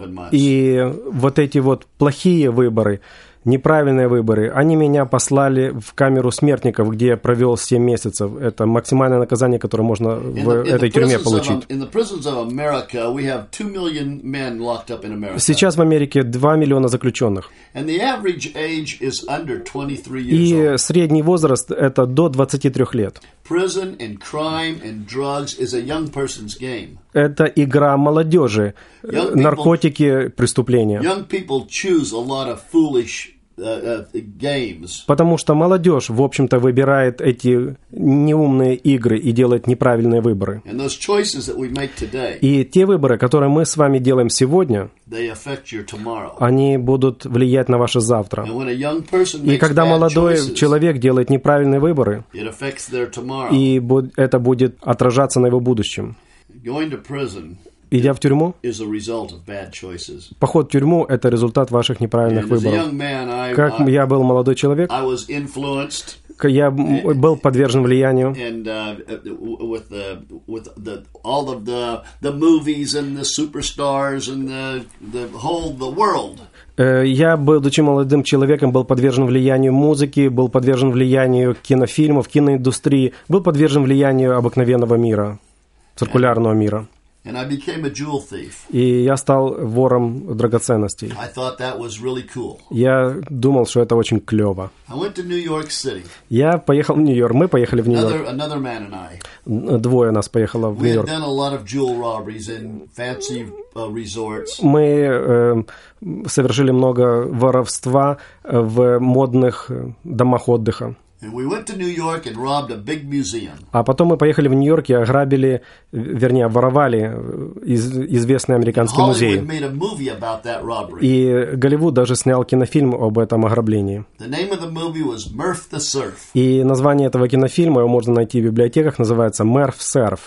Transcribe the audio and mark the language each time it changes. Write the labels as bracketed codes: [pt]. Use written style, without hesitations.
[ru] И вот эти вот плохие выборы, неправильные выборы, они меня послали в камеру смертников, где я провел 7 месяцев. Это максимальное наказание, которое можно в этой тюрьме получить. Сейчас в Америке 2 миллиона заключенных. И средний возраст – это до 23 лет. [en] Prison and crime and drugs is a young person's game. [ru] Это игра молодежи. Наркотики, преступления. [en] Young people choose a lot of foolish games. [ru] Потому что молодежь, в общем-то, выбирает эти неумные игры и делает неправильные выборы. [en] And those choices that we make today. [ru] И те выборы, которые мы с вами делаем сегодня, [en] they affect your tomorrow. [ru] Они будут влиять на ваше завтра. [en] And when a young person makes [ru] и когда молодой [en] bad choices, [ru] человек делает неправильные выборы, [en] it affects their tomorrow. [ru] И это будет отражаться на его будущем. [en] Going to prison. [ru] Идя в тюрьму, [en] is a result of bad choices. [ru] Поход в тюрьму – это результат ваших неправильных [en] and [ru] выборов. [en] As a young man, [ru] как [en] I, [ru] я был молодой человек, [en] I was influenced, [ru] я был подвержен влиянию. [en] And, with the, all of the movies and the superstars and the whole the world. [ru] Я, будучи молодым человеком, был подвержен влиянию музыки, был подвержен влиянию кинофильмов, киноиндустрии, был подвержен влиянию обыкновенного мира, циркулярного мира. [en] And I became a jewel thief. [ru] И я стал вором драгоценностей. [en] I thought that was really cool. [ru] Я думал, что это очень клево. [en] I went to New York City. [ru] Я поехал в Нью-Йорк. Мы поехали в Нью-Йорк. [en] Another man and I. [ru] Двое нас поехало в Нью-Йорк. [en] We had done a lot of jewel robberies in fancy resorts. [ru] Мы совершили много воровства в модных домах отдыха. [en] And we went to New York and robbed a big museum. [ru] А потом мы поехали в Нью-Йорк и ограбили, вернее, воровали известный американский музей. [en] And Hollywood made a movie about that robbery. [ru] И Голливуд даже снял кинофильм об этом ограблении. [en] The name of the movie was Murph the Surf. [ru] И название этого кинофильма, его можно найти в библиотеках, называется Murph Surf.